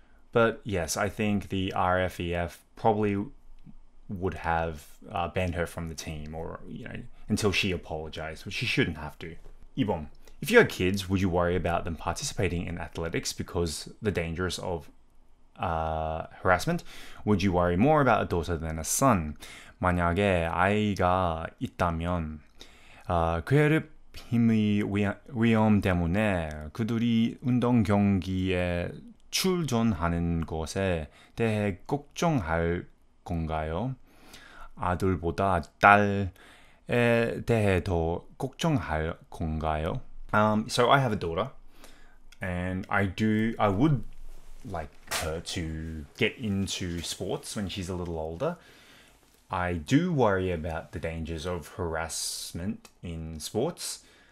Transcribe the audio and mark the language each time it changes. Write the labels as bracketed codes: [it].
[en] But yes, I think the RFEF probably would have banned her from the team or, you know, until she apologized, which she shouldn't have to. [ko] 2번. [en] If you had kids, would you worry about them participating in athletics because the dangers of harassment, would you worry more about a daughter than a son? [ko] 만약에 아이가 있다면 괴롭힘의 위험 때문에 그들이 운동 경기에 출전하는 것에 대해 걱정할 건가요? 아들보다 딸에 대해 더 걱정할 건가요? [en] So I have a daughter and I would like her to get into sports when she's a little older. I do worry about the dangers of harassment in sports.